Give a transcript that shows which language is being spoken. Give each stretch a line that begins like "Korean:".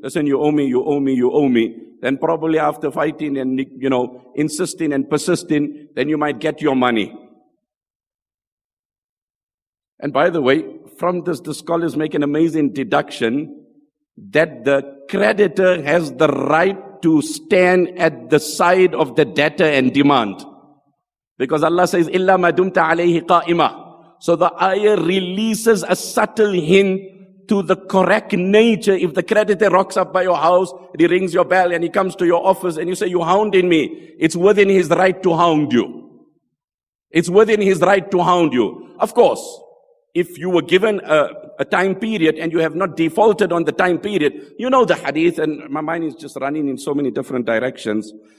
English: Listen, you owe me, you owe me, you owe me. Then probably after fighting and, you know, insisting and persisting, then you might get your money. And by the way, from this, the scholars make an amazing deduction that the creditor has the right to stand at the side of the debtor and demand. Because Allah says,
Arabic: إِلَّا مَا دُمْتَ عَلَيْهِ قَائِمًا.
English: So the ayah releases a subtle hint to the correct nature. If the creditor rocks up by your house, he rings your bell and he comes to your office and you say, you're hounding me. It's within his right to hound you. It's within his right to hound you. Of course, if you were given a time period and you have not defaulted on the time period, you know the hadith, and my mind is just running in so many different directions.